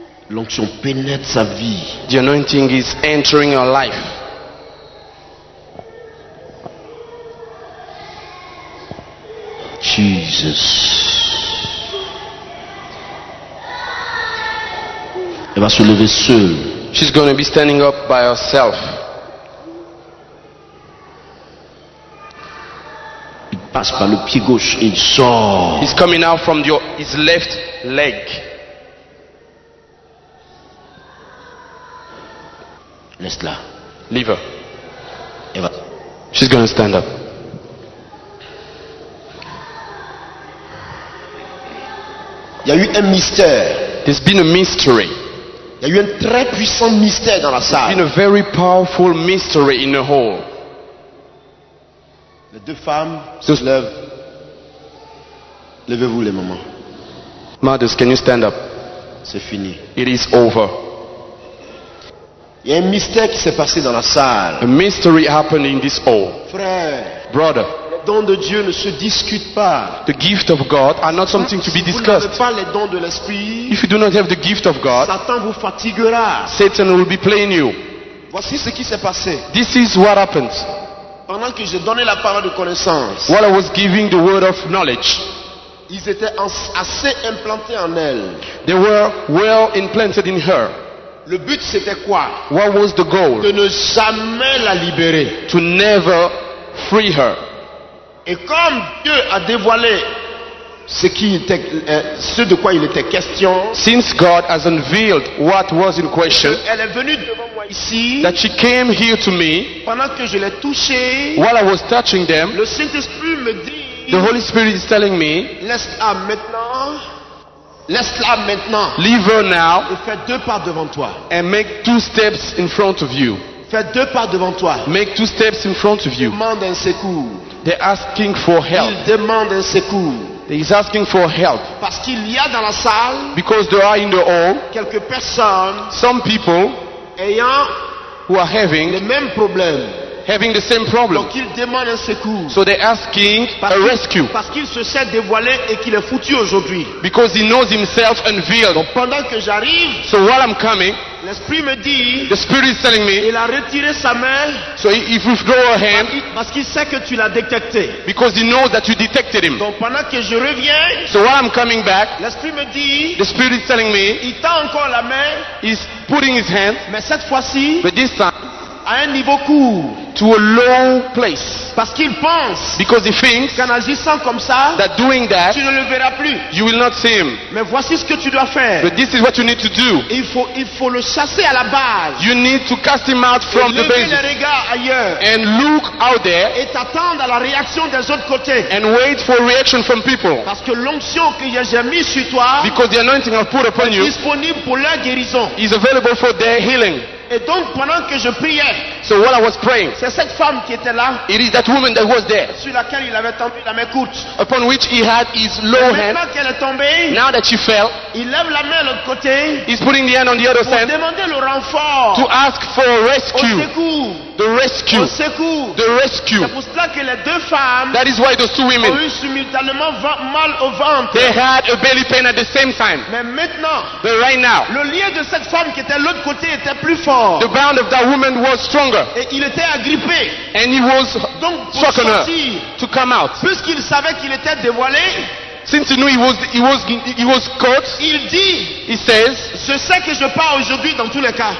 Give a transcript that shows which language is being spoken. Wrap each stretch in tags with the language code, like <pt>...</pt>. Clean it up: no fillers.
<fr>L'onction pénètre sa vie.</fr> <en>The anointing is entering her life. Jesus.</en> <fr>Elle va se lever seule.</fr> <en>She's going to be standing up by herself.</en> <fr>Il passe par le pied gauche et il sort.</fr> <en>He's coming out from his left leg.</en> <fr>Laisse-la.</fr> <en>Leave her.</en> <fr>Elle va.</fr> <en>She's going to stand up.</en> <fr>Il y a eu un mystère.</fr> <en>There's been a mystery.</en> <fr>Il y a eu un très puissant mystère dans la salle.</fr> <en>There's been a very powerful mystery in the hall.</en> <fr>Les deux femmes se lèvent. Levez-vous les mamans.</fr> <en>Mothers, can you stand up?</en> <fr>C'est fini.</fr> <en>It is over.</en> <fr>Il y a un mystère qui s'est passé dans la salle.</fr> <en>A mystery happened in this hall.</en> <fr>Frère.</fr> <en>Brother.</en> <fr>Les dons de Dieu ne se discutent pas.</fr> <en>The gift of God are not something to be discussed.</en> <fr>Si vous n'avez pas les dons de l'esprit,</fr> <en>if you do not have the gift of God,</en> <fr>Satan vous fatiguera.</fr> <en>Satan will be playing you.</en> <fr>Voici ce qui s'est passé.</fr> <en>This is what happened.</en> <fr>Pendant que j'ai donné la parole de connaissance,</fr> <en>while I was giving the word of knowledge,</en> <fr>ils étaient assez implantés en elle.</fr> <en>They were well implanted in her.</en> <fr>Le but c'était quoi?</fr> <en>What was the goal?</en> <fr>De ne jamais la libérer.</fr> <en>To never free her.</en> <fr>Et comme Dieu a dévoilé ce qui était, ce de quoi il était question,</fr> <en>since God has unveiled what was in question,</en> <fr>elle est venue devant moi ici,</fr> <en>that she came here to me,</en> <fr>pendant que je l'ai touché,</fr> <en>while I was touching them,</en> <fr>le Saint-Esprit me dit,</fr> <en>the Holy Spirit is telling me,</en> <fr>laisse-la maintenant, laisse-la maintenant,</fr> <en>leave her now,</en> <fr>et fais deux pas devant toi,</fr> <en>and make two steps in front of you,</en> <fr>fais deux pas devant toi,</fr> <en>make two steps in front of you,</en> <fr>demande un secours.</fr> <en>They're asking for help.</en> <fr>Ils demandent un secours.</fr> <en>He's asking for help.</en> <fr>Parce qu'il y a dans la salle,</fr> <en>because there are in the hall,</en> <fr>quelques personnes,</fr> <en>some people,</en> <fr>ayant,</fr> <en>who are having,</en> <fr>les mêmes problèmes,</fr> <en>having the same problem.</en> <fr>Donc ils demandent un secours.</fr> <en>So they're asking</en> <fr>parce</fr> <en>a rescue.</en> <fr>Parce qu'il se sait dévoilé et qu'il est foutu aujourd'hui.</fr> <en>Because he knows himself unveiled.</en> <fr>Donc pendant que j'arrive,</fr> <en>so while I'm coming,</en> <fr>l'esprit me dit,</fr> <en>the spirit is telling me,</en> <fr>il a retiré sa main,</fr> <en>so he withdrew her hand,</en> <fr>parce qu'il sait que tu l'as détecté,</fr> <en>because he knows that you detected him.</en> <fr>Donc pendant que je reviens,</fr> <en>so while I'm coming back,</en> <fr>l'esprit me dit,</fr> <en>the spirit is telling me,</en> <fr>il tend encore la main,</fr> <en>he's putting his hand,</en> <fr>mais cette fois-ci,</fr> <en>but this time,</en> <fr>à un niveau court,</fr> <en>to a low place,</en> <fr>parce qu'il pense,</fr> <en>because he thinks,</en> <fr>qu'en agissant comme ça,</fr> <en>that doing that,</en> <fr>tu ne le verras plus,</fr> <en>you will not see him.</en> <fr>Mais voici ce que tu dois faire,</fr> <en>but this is what you need to do.</en> <fr>Il faut le chasser à la base,</fr> <en>you need to cast him out from the base,</en> <fr>lever les regards ailleurs,</fr> <en>and look out there,</en> <fr>et t'attendre à la réaction des autres côtés,</fr> <en>and wait for reaction from people,</en> <fr>parce que l'onction que j'ai mis sur toi,</fr> <en>because the anointing I've put upon you,</en> <fr>est disponible pour leur guérison,</fr> <en>is available for their healing.</en> <fr>Et donc pendant que je priais,</fr> <en>so while I was praying,</en> <fr>c'est cette femme qui était là,</fr> <en>it is that woman that was there,</en> <fr>sur laquelle il avait tendu la main courte,</fr> <en>upon which he had his low hand.</en> <fr>Maintenant qu'elle est tombée,</fr> <en>now that she fell,</en> <fr>il lève la main de l'autre côté,</fr> <en>he's putting the hand on the other side,</en> <fr>pour demander le renfort,</fr> <en>to ask for a rescue,</en> <fr>au secours,</fr> <en>the rescue,</en> <fr>au secours,</fr> <en>the rescue.</en> <fr>C'est pour cela que les deux femmes,</fr> <en>that is why those two women,</en> <fr>ont eu simultanément mal au ventre,</fr> <en>they had a belly pain at the same time.</en> <fr>Mais maintenant,</fr> <en>but right now,</en> <fr>le lien de cette femme qui était l'autre côté était plus fort.</fr> <en>The bound of that woman was stronger.</en> <fr>Et il était agrippé.</fr> <en>And he was</en> <fr>donc</fr> <en>shocking</en> <fr>sortir,</fr> <en>her to come out.</en> <fr>Puisqu'il savait qu'il était dévoilé,</fr> <en>since he knew he was caught,</en> <fr>il dit,</fr> <en>he says,</en> <fr>je sais que je pars aujourd'hui dans tous les cas.</fr>